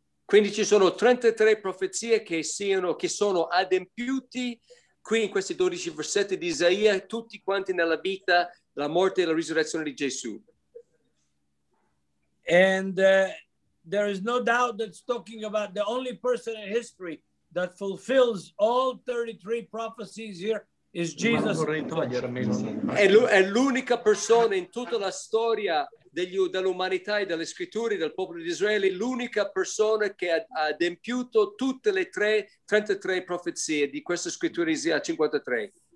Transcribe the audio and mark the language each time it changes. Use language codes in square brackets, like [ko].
[it] Quindi ci sono 33 profezie che sono adempiuti qui in questi 12 versetti di Isaia, tutti quanti nella vita, la morte e la risurrezione di Gesù. [en] And there is no doubt that's talking about the only person in history that fulfills all 33 prophecies here is Jesus. [it] È l'unica persona in tutta la storia dell'umanità e delle scritture del popolo di Israele, l'unica persona che ha adempiuto tutte le 33 profezie di questa scrittura Isaia 53.